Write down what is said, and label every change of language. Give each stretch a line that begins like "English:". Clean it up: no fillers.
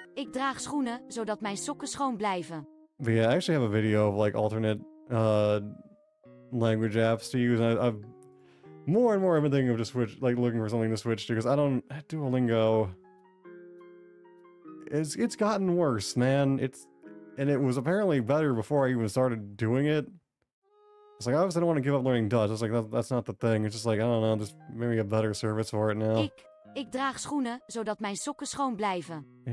Dutch: Ik draag schoenen, zodat mijn sokken schoon blijven.
English: But yeah, I actually have a video of, like, alternate, language apps to use. I've more and more been thinking of just switch, like, looking for something to switch to, because I don't... Duolingo... It's gotten worse, man. And it was apparently better before I even started doing it. It's like, obviously I don't want to give up learning Dutch. It's like, that's not the thing. It's just like, I don't know, just maybe a better service for it now.
Dutch: Ik draag schoenen, zodat mijn sokken schoon blijven.